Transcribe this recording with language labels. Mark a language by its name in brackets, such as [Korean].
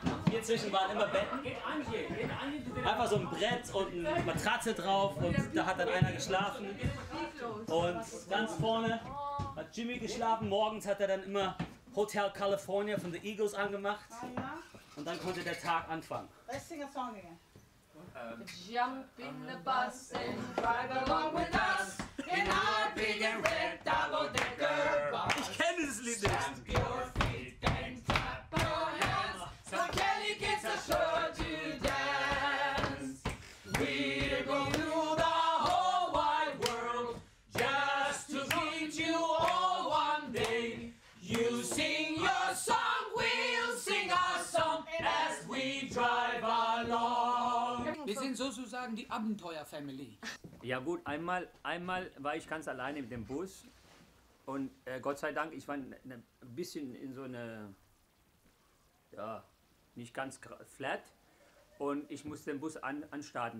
[German] Hier zwischen waren immer Betten. Einfach so ein Brett und eine Matratze drauf und da hat dann einer geschlafen. Und ganz vorne hat Jimmy geschlafen. Morgens hat er dann immer Hotel California von The Eagles angemacht. Und dann konnte der Tag anfangen. [English] Let's sing a song again. Jump in the bus and drive along with us in our big and red double-decker bus. [German] Ich kenne das Lied nicht. [English] Stamp your feet and clap your hands so Kelly gets a show to dance. We're going through the whole wide world just to meet you all one day. You sing your song, we'll sing our song as we drive along. [German] Wir sind sozusagen die Abenteuer-Family. Ja gut, einmal war ich ganz alleine mit dem Bus und Gott sei Dank, ich war ein bisschen in so eine, ja, nicht ganz flat und ich musste den Bus anstarten.